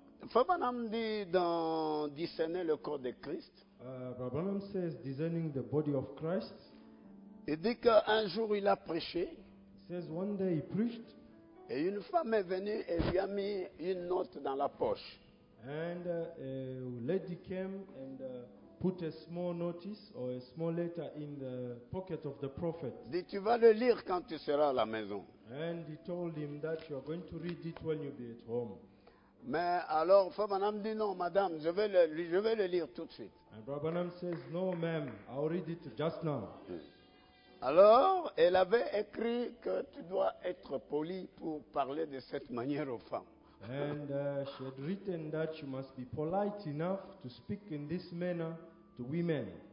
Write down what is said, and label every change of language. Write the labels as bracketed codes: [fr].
[fr] Fabanam dit dans discerner le corps de Christ. [en] Fabanam says discerning the body of Christ. [fr] Il dit qu'un jour il a prêché. [en] He says one day he preached. [fr] Et une femme est venue et lui a mis une note dans la poche. [en] And a lady came and put a small notice or a small letter in the pocket of the prophet. [fr] Dit tu vas le lire quand tu seras à la maison. [en] And he told him that you are going to read it when you be at home. [fr] Mais alors, Fabanam dit non, madame, je vais le lire tout de suite. [en] And Fabanam says no, ma'am, I'll read it just now. [fr] Alors, elle avait écrit que tu dois être poli pour parler de cette manière aux femmes. [en] And she had written that you must be polite enough to speak in this manner to women.